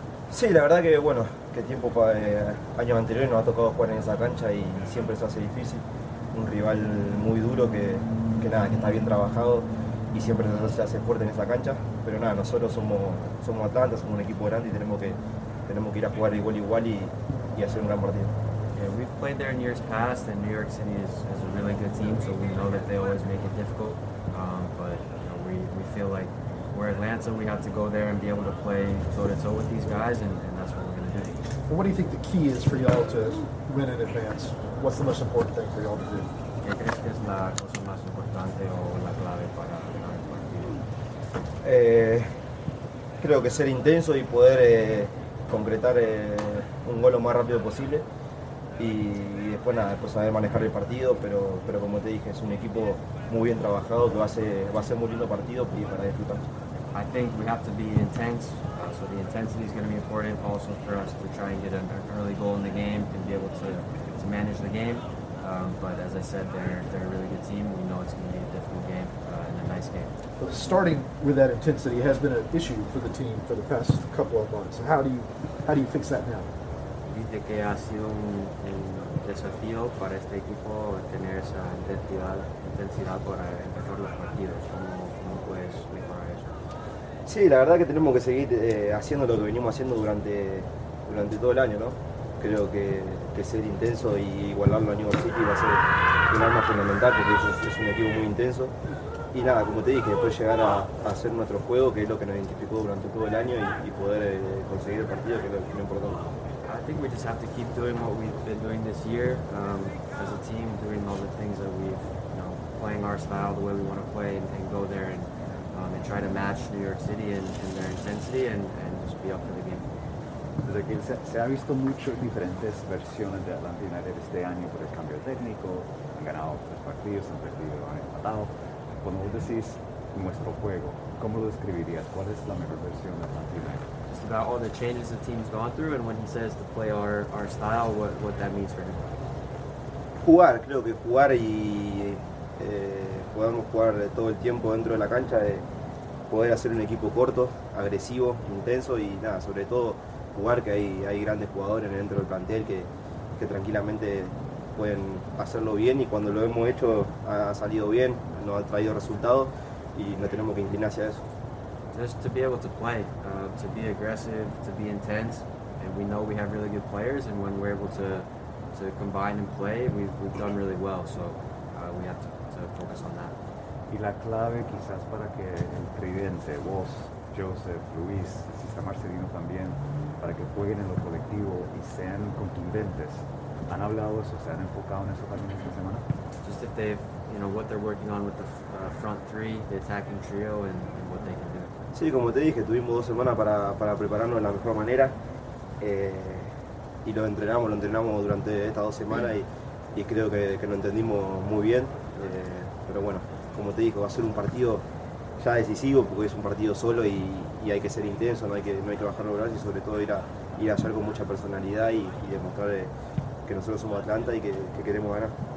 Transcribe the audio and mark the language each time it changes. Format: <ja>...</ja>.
<es>Sí, la verdad que, bueno, que tiempo para años anteriores nos ha tocado jugar en esa cancha y siempre se hace difícil. Un rival muy duro que nada, que está bien trabajado y siempre se hace fuerte en esa cancha. Pero nada, nosotros somos Atlanta, somos un equipo grande y tenemos que ir a jugar igual y hacer un gran partido.</es> <en>Yeah, we've played there in years past and New York City is a really good team, so we know that they always make it difficult. But you know, we feel like we're Atlanta, we have to go there and be able to play toe-to-toe with these guys and that's what we're going to do. Well, what do you think the key is for y'all to win in advance? What's the most important thing for y'all to do?</en> <es>¿Qué crees que es la cosa más importante o la clave para ganar el partido? Creo que ser intenso y poder concretar un gol lo más rápido posible y después nada, después saber manejar el partido, pero como te dije, es un equipo muy bien trabajado que va a ser muy lindo partido y para disfrutar.</es> <en>I think we have to be intense, so the intensity is going to be important also for us to try and get an early goal in the game and be able to manage the game. But as I said, they're a really good team. We know it's going to be a difficult game and a nice game. Starting with that intensity has been an issue for the team for the past couple of months. So how do you fix that now?</en> <es>Dice que ha sido un desafío para este equipo tener esa intensidad para empezar los partidos. ¿Cómo puedes mejorar eso? Sí, la verdad que tenemos que seguir haciendo lo que venimos haciendo durante todo el año, ¿no? Creo que ser intenso y igualarlo a New York City va a ser un arma fundamental porque es un equipo muy intenso. Y nada, como te dije, después llegar a hacer nuestro juego, que es lo que nos identificó durante todo el año y poder conseguir el partido, que es lo importante.</es> <en>I think we just have to keep doing what we've been doing this year as a team, doing all the things that we've, you know, playing our style the way we want to play and go there and try to match New York City and their intensity and just be up for the game.</en> <es>Ezequiel, se ha visto muchas diferentes versiones de Atlanta United este año por el cambio técnico. Han ganado tres partidos, han perdido, han empatado. Cuando vos decís nuestro juego, ¿cómo lo describirías? ¿Cuál es la mejor versión de Atlanta United?</es> <en>Just about all the changes the team's gone through and when he says to play our style, what that means for him.</en> <es>Jugar, creo que jugar y podemos jugar todo el tiempo dentro de la cancha, poder hacer un equipo corto, agresivo, intenso y nada, sobre todo jugar, que hay grandes jugadores dentro del plantel que tranquilamente pueden hacerlo bien y cuando lo hemos hecho ha salido bien, nos ha traído resultados y nos tenemos que inclinar hacia eso.</es> <en>Just to be able to play, to be aggressive, to be intense, and we know we have really good players and when we're able to combine and play, we've done really well, so we have to focus on that.</en> <es>Y la clave quizás para que el tridente, vos, Joseph, Luis, si está Marcelino también, para que jueguen en lo colectivo y sean contundentes. ¿Han hablado eso? ¿Se han enfocado en eso también esta semana?</es> <en>Just if they've, you know, what they're working on with the front three, the attacking trio, and what they can do.</en> <es>Sí, como te dije, tuvimos dos semanas para prepararnos de la mejor manera y lo entrenamos durante estas dos semanas y creo que lo entendimos muy bien. Pero bueno, como te dije, va a ser un partido ya decisivo porque es un partido solo y hay que ser intenso, no hay que bajar los brazos y sobre todo ir a hacer con mucha personalidad y demostrar que nosotros somos Atlanta y que queremos ganar.</es>